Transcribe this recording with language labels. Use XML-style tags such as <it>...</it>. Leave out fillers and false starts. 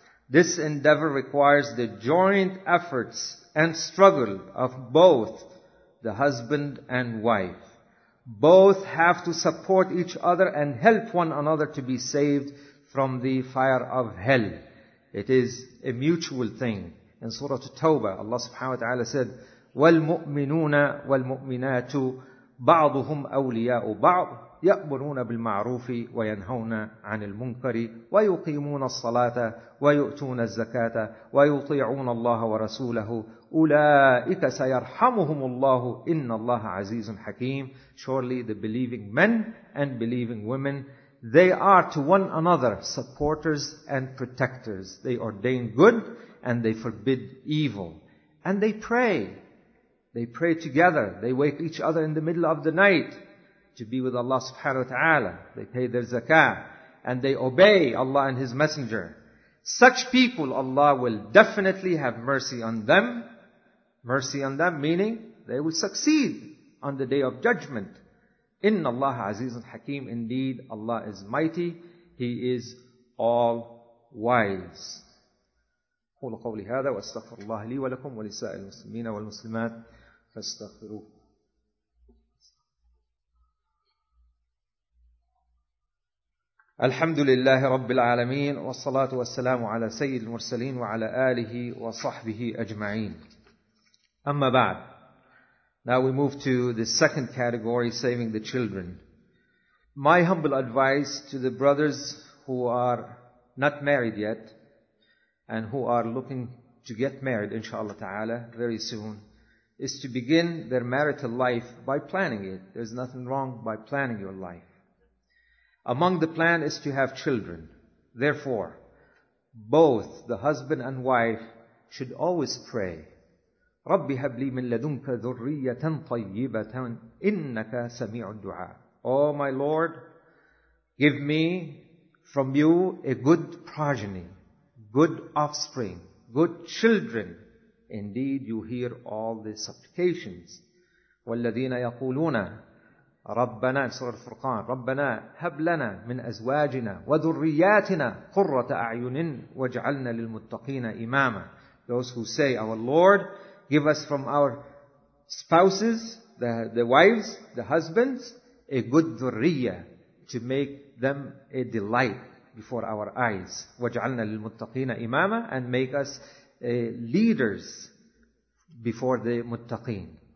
<en>This endeavor requires the joint efforts and struggle of both the husband and wife. Both have to support each other and help one another to be saved from the fire of hell. It is a mutual thing. In Surah At-Tawbah, Allah subhanahu wa ta'ala said,</en> <ar>وَالْمُؤْمِنُونَ وَالْمُؤْمِنَاتُ بَعْضُهُمْ أَوْلِيَاءُ بَعْضُ يَأْمُرُونَ بِالْمَعْرُوفِ وَيَنْهَوْنَ عَنِ الْمُنْكَرِ وَيُقِيمُونَ الصَّلَاةَ وَيُؤْتُونَ الزَّكَاةَ وَيُطِيعُونَ اللَّهَ وَرَسُولَهُ أُولَٰئِكَ سَيَرْحَمُهُمُ اللَّهُ إِنَّ اللَّهَ عَزِيزٌ حَكِيمٌ.</ar> <en>Surely the believing men and believing women, they are to one another supporters and protectors. They ordain good and they forbid evil. And they pray. They pray together. They wake each other in the middle of the night to be with Allah subhanahu wa ta'ala. They pay their zakah and they obey Allah and His Messenger. Such people, Allah will definitely have mercy on them. Mercy on them, meaning they will succeed on the day of judgment.</en> <ar>Inna Allah azizun hakeem.</ar> <en>Indeed, Allah is mighty. He is all wise.</en> <ar>قول قولي هذا واستغفر الله لي ولكم ولسائر المسلمين والمسلمات فاستغفروه. الحمد لله رب العالمين والصلاة والسلام على سيد المرسلين وعلى آله وصحبه أجمعين. أما بعد,</ar> <en>now we move to the second category, saving the children. My humble advice to the brothers who are not married yet and who are looking to get married inshallah ta'ala very soon is to begin their marital life by planning it. There's nothing wrong by planning your life. Among the plan is to have children. Therefore, both the husband and wife should always pray,</en> <ar>رَبِّ هَبْ لِي مِن لَّدُنْكَ ذُرِّيَّةً طَيِّبَةً إِنَّكَ سَمِيعُ الدُّعَاءِ.</ar> <en>Oh my Lord, give me from You a good progeny, good offspring, good children. Indeed, You hear all the supplications.</en> <ar>وَالَّذِينَ يَقُولُونَ ربنا سورة الفرقان ربنا هب لنا من أزواجنا وذرياتنا قرة أعين واجعلنا للمتقين إماما.</ar> <en>Those who say, our Lord, give us from our spouses, the wives, the husbands, a good dhurriya to make them a delight before our eyes.</en> <ar>وَجْعَلْنَا لِلْمُتَّقِينَ إِمَامًا</ar> <en>and make us leaders before the muttaqeen.</en>